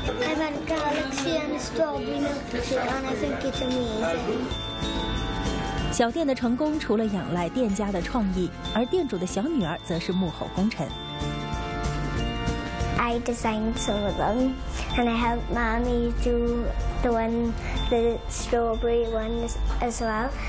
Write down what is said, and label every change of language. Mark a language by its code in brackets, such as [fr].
[en] I've had galaxy and a strawberry milkshake and I think it's amazing. [zh] 小店的成功除了仰赖店家的创意，而店主的小女儿则是幕后功臣。 [en] I designed some of them, and I helped mommy do the one, the strawberry one as well.